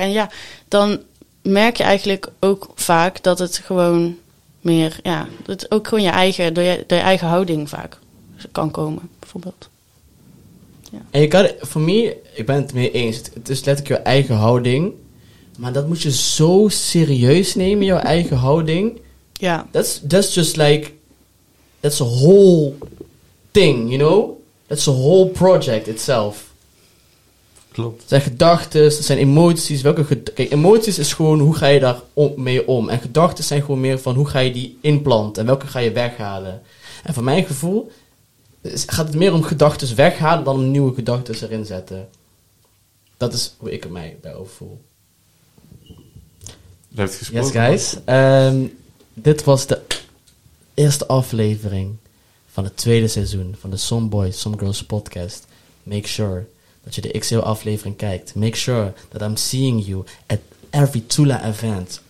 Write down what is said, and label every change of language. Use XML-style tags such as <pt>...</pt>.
<nl>En ja, dan merk je eigenlijk ook vaak dat het gewoon meer, dat ook gewoon je eigen, door je eigen houding vaak kan komen, bijvoorbeeld. Ja. En je kan, voor mij, ik ben het mee eens, het is letterlijk je eigen houding. Maar dat moet je zo serieus nemen, jouw eigen houding. Ja.</nl> <en>That's just like, that's a whole thing, you know? That's a whole project itself.</en> <nl>Klopt. Het zijn gedachten, het zijn emoties. Kijk, emoties is gewoon, hoe ga je daar mee om? En gedachten zijn gewoon meer van, hoe ga je die inplanten? En welke ga je weghalen? En van mijn gevoel gaat het meer om gedachten weghalen dan om nieuwe gedachten erin zetten. Dat is hoe ik er mij bij overvoel. Leuk gesproken.</nl> <en>Yes, guys.</en> <nl>Dit was de eerste aflevering van het tweede seizoen van de Some Boys, Some Girls podcast.</nl> <en>Make sure</en> <nl>dat je de XL aflevering kijkt.</nl> <en>Make sure that I'm seeing you at every Tula event.</en>